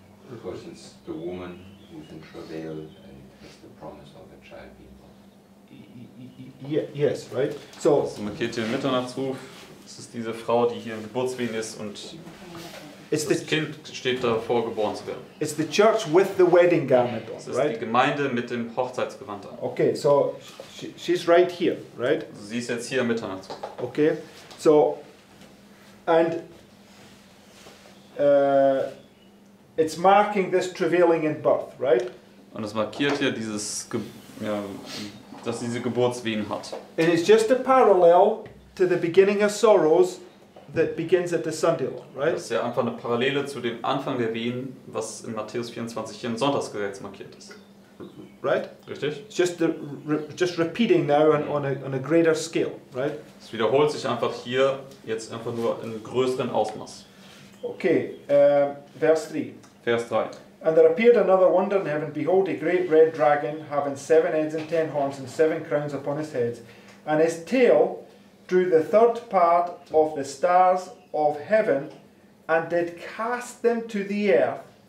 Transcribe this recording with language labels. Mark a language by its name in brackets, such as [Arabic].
[English] Because it's the woman who's in travail and has the promise of a child being born. Yes, right? So [German] also markiert hier Mitternachtsruf. Es ist diese Frau, die hier im Geburtswehen ist und [English] it's [German] das Kind steht davor, geboren zu werden. [English] It's the church with the wedding garment on, right? [German] Es ist die Gemeinde mit dem Hochzeitsgewand an. [English] Okay, so she's right here, right? [German] Sie ist jetzt hier mitternachts. [English] Okay, so and it's marking this travailing in birth, right? [German] Und es markiert hier dieses, ja, dass diese Geburtswehen hat. [English] And it's just a parallel to the beginning of sorrows. That begins at the Sunday law, right? [German] Das ist ja einfach eine Parallele zu dem Anfang der Wehen, was in Matthäus 24 hier im Sonntagsgesetz markiert ist. [English] Right? [German] Richtig? [English] Just repeating now on a greater scale, right? [German] Es wiederholt sich einfach hier jetzt einfach nur in größeren Ausmaß. Okay, Vers 3. Vers 3. [English] And there appeared another wonder in heaven, behold, a great red dragon, having 7 heads and 10 horns and 7 crowns upon his head, and his tail drew the third part of the stars of heaven and did cast them to the earth,